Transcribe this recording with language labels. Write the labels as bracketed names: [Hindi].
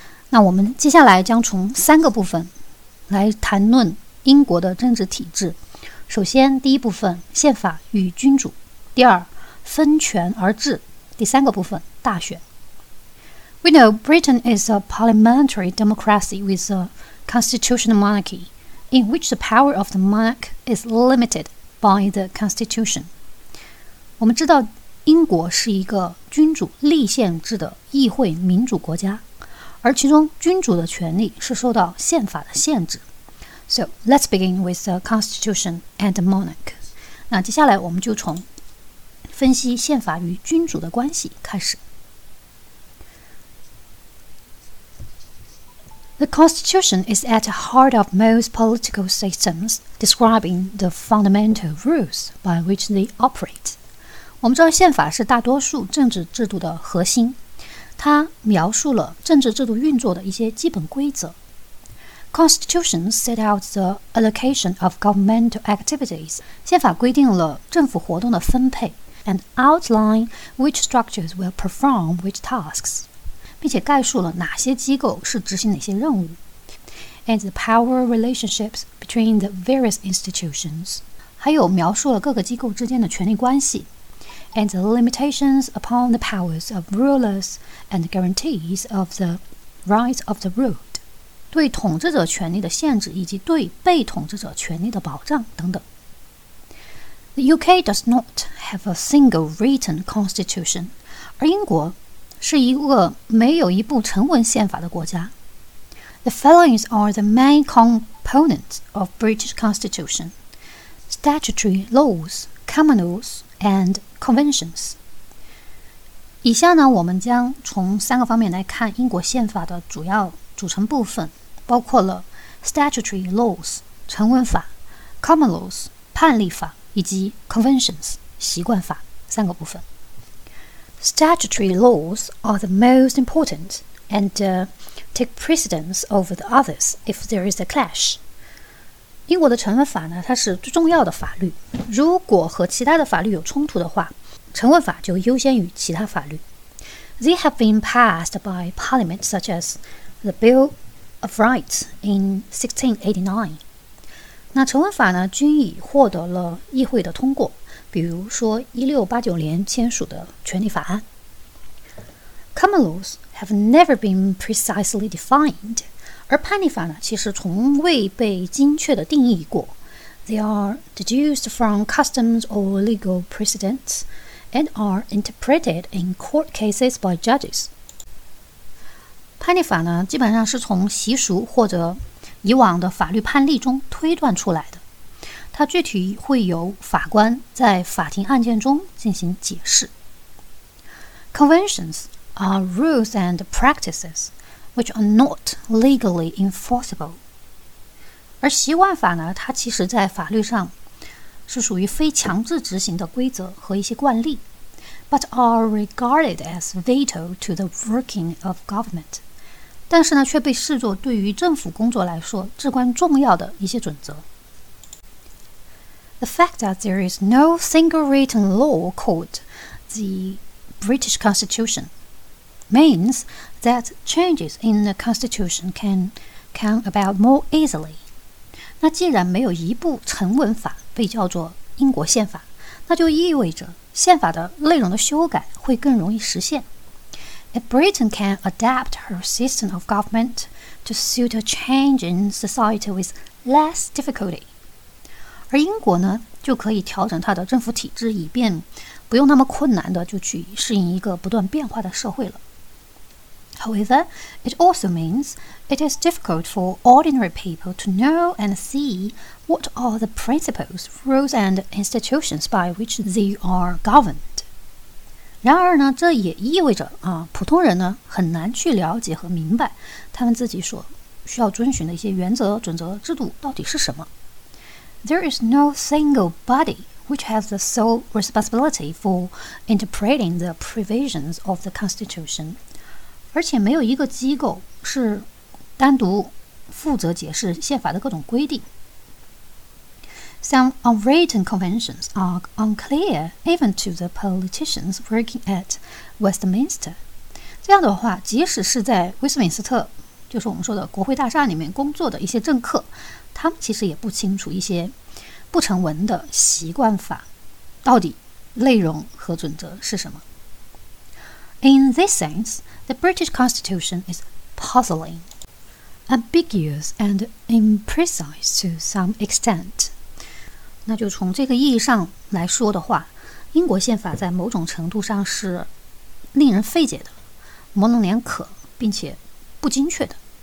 [Chinese] 那我们接下来将从三个部分来谈论英国的政治体制。首先，第一部分，宪法与君主。第二，分权而治。第三个部分，大选。 [English] We know Britain is a parliamentary democracy with a constitutional monarchy, in which the power of the monarch is limited by the constitution. [Chinese] 我们知道英国是一个君主立宪制的议会民主国家，而其中君主的权力是受到宪法的限制。 [English] So, let's begin with the constitution and the monarch. [Chinese] 那接下来我们就从分析宪法与君主的关系开始。 [English] The Constitution is at the heart of most political systems, describing the fundamental rules by which they operate. [Chinese] 我们知道宪法是大多数政治制度的核心，它描述了政治制度运作的一些基本规则。 [English] Constitution set out the allocation of governmental activities. [Chinese] 宪法规定了政府活动的分配 [English] and outline which structures will perform which tasks. [Chinese] 并且概述了哪些机构是执行哪些任务 [English] and the power relationships between the various institutions [Chinese] 还有描述了各个机构之间的权力关系 [English] and the limitations upon the powers of rulers and the guarantees of the rights of the ruled [Chinese] 对统治者权力的限制以及对被统治者权力的保障等等 [English] The UK does not have a single written constitution [Chinese] 而英国是一个没有一部成文宪法的国家。 [English] The following are the main components of British Constitution. Statutory laws, common laws, and conventions. [Chinese] 以下呢，我们将从三个方面来看英国宪法的主要组成部分，包括了 statutory laws, 成文法 common laws, 判例法以及 conventions, 习惯法三个部分。 [English] Statutory laws are the most important and take precedence over the others if there is a clash. [Chinese] 英国的成文法呢，它是最重要的法律。如果和其他的法律有冲突的话，成文法就优先于其他法律。 [English] They have been passed by Parliament such as the Bill of Rights in 1689. [Chinese] 那成文法呢，均已获得了议会的通过。比如说1689年签署的权利法案 [English] Common laws have never been precisely defined [Chinese] 而判例法呢其实从未被精确的定义过 [English] They are deduced from customs or legal precedents and are interpreted in court cases by judges [Chinese] 判例法呢基本上是从习俗或者以往的法律判例中推断出来的它具体会由法官在法庭案件中进行解释。 [English] Conventions are rules and practices which are not legally enforceable. [Chinese] 而习惯法呢，它其实在法律上是属于非强制执行的规则和一些惯例 [English] but are regarded as veto to the working of government. [Chinese] 但是呢，却被视作对于政府工作来说至关重要的一些准则。 [English] The fact that there is no single written law called the British Constitution means that changes in the Constitution can come about more easily. [Chinese] 那既然没有一部成文法被叫做英国宪法，那就意味着宪法的内容的修改会更容易实现。 [English] If Britain can adapt her system of government to suit a change in society with less difficulty, [Chinese] 而英国呢，就可以调整它的政府体制，以便不用那么困难的就去适应一个不断变化的社会了。 [English] However, it also means it is difficult for ordinary people to know and see what are the principles, rules, and institutions by which they are governed. [Chinese] 然而呢，这也意味着啊，普通人呢很难去了解和明白他们自己所需要遵循的一些原则、准则、制度到底是什么。 [English] There is no single body which has the sole responsibility for interpreting the provisions of the Constitution. [Chinese] 而且没有一个机构是单独负责解释宪法的各种规定。 [English] Some unwritten conventions are unclear even to the politicians working at Westminster. [Chinese] 这样的话，即使是在威斯敏斯特，就是我们说的国会大厦里面工作的一些政客，他们其实也不清楚一些不成文的习惯法到底内容和准则是什么。 [English] In this sense, the British Constitution is puzzling, ambiguous and imprecise to some extent. [Chinese] 那就从这个意义上来说的话，英国宪法在某种程度上是令人费解的，模棱两可，并且不精确的。